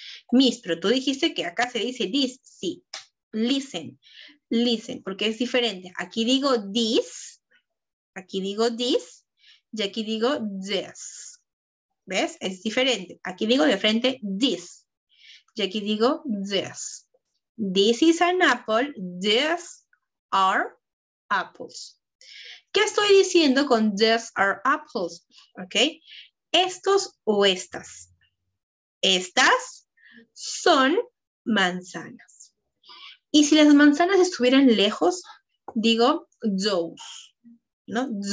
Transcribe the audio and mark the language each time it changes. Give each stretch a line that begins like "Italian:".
Spanish: Miss, pero tú dijiste que acá se dice this, sí.
English: Listen, listen,
Spanish: porque es diferente. Aquí digo this, aquí digo this, y aquí digo this. ¿Ves? Es diferente. Aquí digo de frente this, y aquí digo this.
English: This is an apple, these are apples.
Spanish: ¿Qué estoy diciendo con
English: these are apples?
Spanish: ¿Ok? Estos o estas. Estas son manzanas. Y si las manzanas estuvieran lejos, digo those, ¿no?